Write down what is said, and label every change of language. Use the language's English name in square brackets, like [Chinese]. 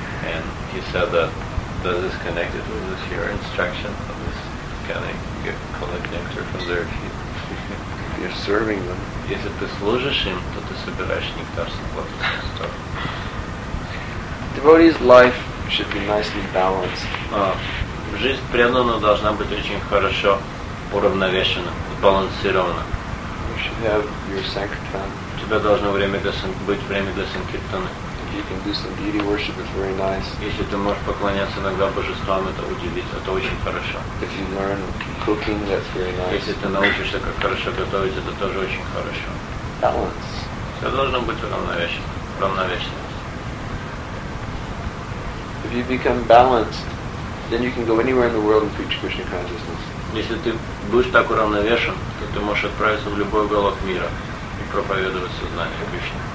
[English] And he said that this is connected with this here instruction of this can I get collect nectar from their feet. You're serving them. [Russian] Если ты служишь им, то ты собираешь нектар с лотосных стоп. [English] Devotee's life should be nicely balanced. [Russian] Жизнь преданного должна быть очень хорошо уравновешена, сбалансирована. [English] We should have your sankirtan. [Russian] У тебя должно время для быть время для санкиртаны. [English] If you can do some deity worship, it's very nice. [Russian] Если ты можешь поклоняться иногда божествам, это удивительно, это очень хорошо. [English] If you learn cooking, that's very nice. [Russian] Если ты научишься как хорошо готовить, это тоже очень хорошо. [English] Balance. [Russian] Все должно быть равновешенно, [English] If you become balanced, then you can go anywhere in the world and preach Krishna consciousness. [Russian] Если ты будешь так уравновешен, то ты можешь отправиться в любой уголок мира и проповедовать сознание Кришны.